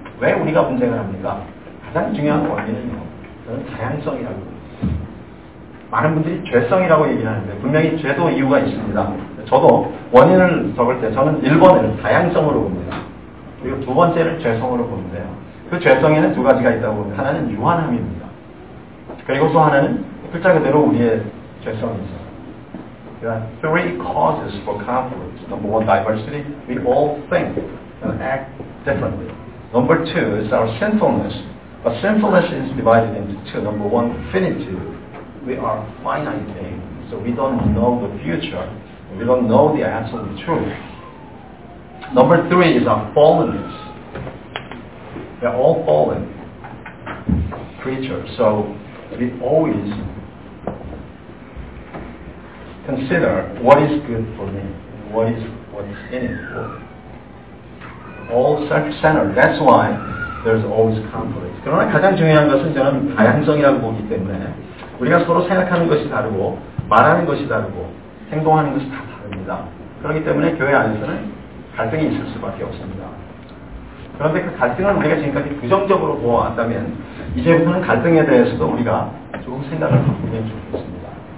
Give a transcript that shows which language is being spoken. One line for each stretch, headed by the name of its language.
Korean: 왜 우리가 분쟁을 합니까? 가장 중요한 원인은요, 저는 다양성이라고, 많은 분들이 죄성이라고 얘기하는데 분명히 죄도 이유가 있습니다. 저도 원인을 적을 때 저는 1번을 다양성으로 봅니다. 그리고 두 번째를 죄성으로 보는데요. 그 죄성에는 두 가지가 있다고 봅니다. 하나는 유한함입니다. 그리고 또 하나는 글자 그대로 우리의 죄성이죠.
English: There are three causes for conflict. Number one, diversity. We all think and act differently. Number two is our sinfulness. But sinfulness is divided into two. Number one, finitude. We are finite beings, so we don't know the future. We don't know the absolute truth. Number three is our fallenness. We are all fallen creatures, so we always consider what is good for me, what's in it for me. All self-centered. That's why there's always conflict.
Korean: 그러나 가장 중요한 것은 저는 다양성이라고 보기 때문에 우리가 서로 생각하는 것이 다르고 말하는 것이 다르고 행동하는 것이 다 다릅니다. 그렇기 때문에 교회 안에서는 갈등이 있을 수밖에 없습니다. 그런데 그 갈등을 우리가 지금까지 부정적으로 보아왔다면 이제부터는 갈등에 대해서도 우리가 조금 생각을 바꾸면 좋겠습니다.